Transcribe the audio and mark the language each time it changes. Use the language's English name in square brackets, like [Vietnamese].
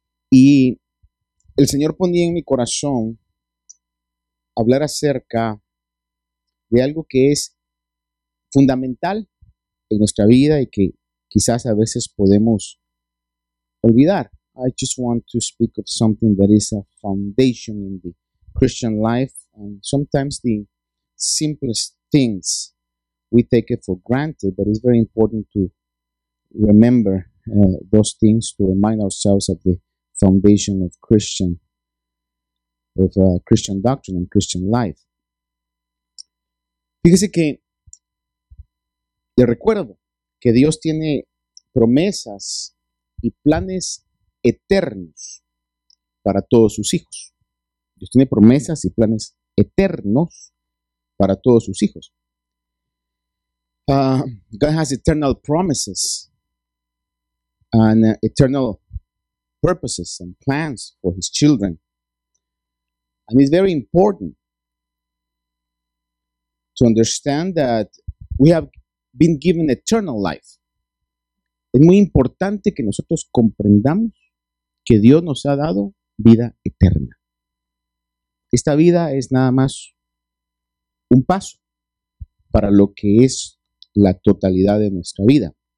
[Spanish] Y el Señor ponía en mi corazón hablar acerca de algo que es fundamental en nuestra vida y que quizás a veces podemos olvidar. [English] I just want to speak of something that is a foundation in the Christian life. And sometimes the simplest things we take it for granted, but it's very important to remember those things, to remind ourselves of the foundation of Christian doctrine and Christian life. [Spanish] Fíjese que le recuerdo que Dios tiene promesas y planes eternos para todos sus hijos. Dios tiene promesas y planes eternos para todos sus hijos. [English] God has eternal promises and eternal purposes and plans for his children. And it's very important to understand that we have been given eternal life. [Spanish] Es muy importante que nosotros comprendamos que Dios nos ha dado vida eterna. Esta vida es nada más un paso para lo que es la totalidad de nuestra vida.